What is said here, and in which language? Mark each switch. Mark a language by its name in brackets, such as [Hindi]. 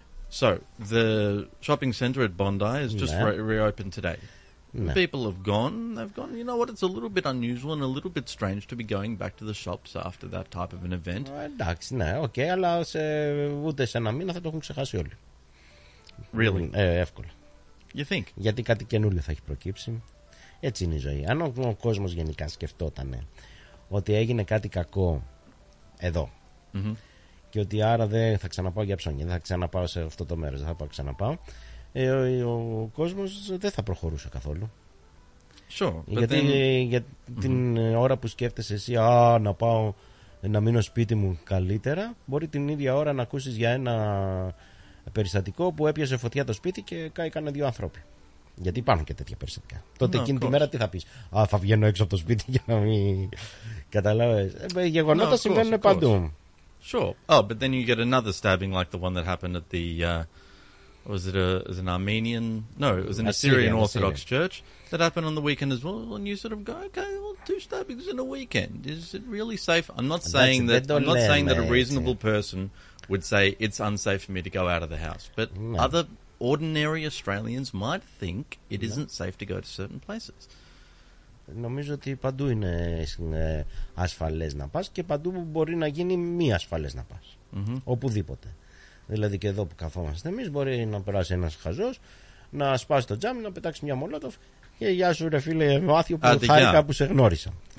[English] So, the shopping center at Bondi is just reopened today. [Greek] Ναι. [English] People have gone. They've gone. You know what? It's a little bit unusual and a little bit strange to be going back to the shops after that type of an event. [Greek] Εντάξει, ναι, οκ, okay, αλλά σε, ούτε σε ένα μήνα θα το έχουν ξεχάσει όλοι. [English] Really? [Greek] Εύκολα. [English] You think? [Greek] Γιατί κάτι καινούριο θα έχει προκύψει. Έτσι είναι η ζωή. Αν ο κόσμος γενικά σκεφτόταν ότι έγινε κάτι κακό εδώ, mm-hmm. και ότι άρα δεν θα ξαναπάω για ψώνια, δεν θα ξαναπάω σε αυτό το μέρος, δεν θα πάω ξαναπάω. Ο κόσμος δεν θα προχωρούσε καθόλου. [English] Sure, [Greek] γιατί για την ώρα που σκέφτεσαι εσύ, α, να πάω να μείνω σπίτι μου καλύτερα, μπορεί την ίδια ώρα να ακούσεις για ένα περιστατικό που έπιασε φωτιά το σπίτι και κάηκανε δύο άνθρωποι. Γιατί υπάρχουν και τέτοια περιστατικά. Τότε no, εκείνη τη μέρα τι θα πεις? Α, θα βγαίνω έξω από το σπίτι για να μην καταλάβεις. Γεγονότα συμβαίνουν παντού. [English] Sure. Oh, but then you get another stabbing like the one that happened at the... was it an Armenian? No, it was an Assyrian Orthodox church that happened on the weekend as well. And you sort of go, okay, well, two stabbings in a weekend. Is it really safe? I'm not saying that. I'm not saying that a reasonable person would say it's unsafe for me to go out of the house. But other ordinary Australians might think it isn't safe to go to certain places. [Greek] Νομίζω ότι παντού είναι ασφαλές να πας και παντού μπορεί να γίνει μη ασφαλές να πας. Οπουδήποτε. Δηλαδή και εδώ που καθόμαστε εμείς μπορεί να περάσει ένας χαζός, να σπάσει το τζάμι, να πετάξει μια μολότοφ και γεια σου ρε φίλε Μάθιο που χάρηκα που σε γνώρισα.